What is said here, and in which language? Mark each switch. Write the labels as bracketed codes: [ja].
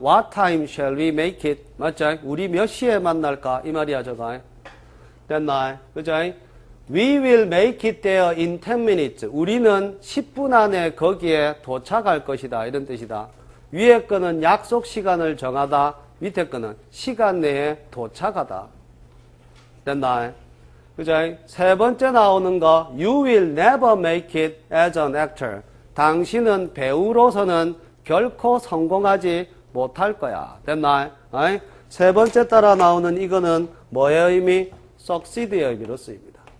[en] What time shall we make it? [ko] 맞죠? 우리 몇 시에 만날까? 이 말이야, 저거. 됐나? 그죠? [en] We will make it there in 10 minutes. [ko] 우리는 10분 안에 거기에 도착할 것이다. 이런 뜻이다. 위에 거는 약속 시간을 정하다. 밑에 거는 시간 내에 도착하다. 됐나? 그죠? 세 번째 나오는 거, [en] You will never make it as an actor. [ko] 당신은 배우로서는 결코 성공하지 못할 거야. 됐나? 세 번째 따라 나오는 이거는 뭐의 의미? succeed의 의미로 쓰입니다.